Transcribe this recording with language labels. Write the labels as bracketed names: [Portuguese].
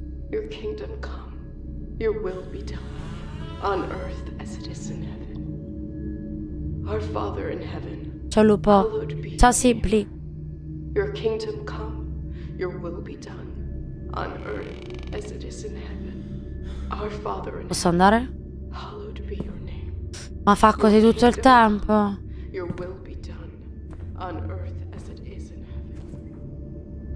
[English] Your kingdom come. Your will be done on earth as it is in heaven. Our Father in heaven. [Italian] Ciao Lupo. Ciao Sibli. [English] Your kingdom come. Your will be done on earth as it is in heaven. Our Father in [Italian] posso andare? [English] Hallowed be your name. [Italian] Ma fa così tutto il tempo. [English] Your will be done on earth as it is in heaven.